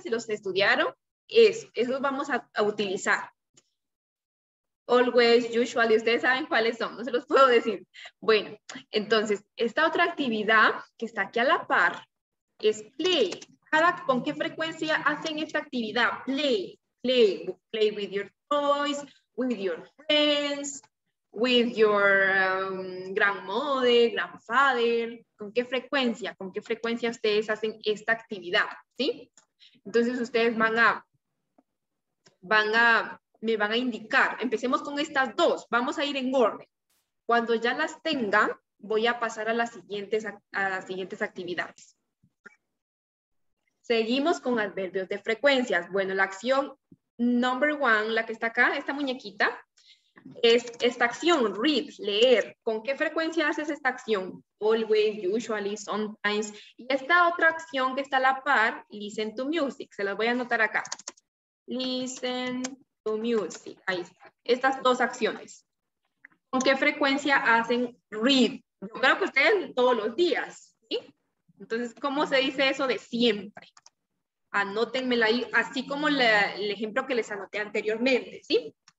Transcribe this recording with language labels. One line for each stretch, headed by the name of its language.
Spanish: Si los estudiaron, esos vamos a utilizar. Always, usually. Ustedes saben cuáles son. No se los puedo decir. Bueno, entonces, esta otra actividad que está aquí a la par es play. ¿Con qué frecuencia hacen esta actividad?
English: Play, play, play with your toys, with your friends, with your grandmother, grandfather.
Spanish: ¿Con qué frecuencia? ¿Con qué frecuencia ustedes hacen esta actividad? ¿Sí? Entonces ustedes me van a indicar. Empecemos con estas dos. Vamos a ir en orden. Cuando ya las tenga, voy a pasar a las siguientes actividades. Seguimos con adverbios de frecuencias. Bueno, la acción number one, la que está acá, esta muñequita, es esta acción, read, leer. ¿Con qué frecuencia haces esta acción?
English: Always, usually, sometimes.
Spanish: Y esta otra acción que está a la par, listen to music. Se las voy a anotar acá. Listen to music. Ahí está. Estas dos acciones. ¿Con qué frecuencia hacen read? Yo creo que ustedes todos los días. Entonces, ¿cómo se dice eso de siempre? Anótenmela ahí, así como el ejemplo que les anoté anteriormente, ¿sí?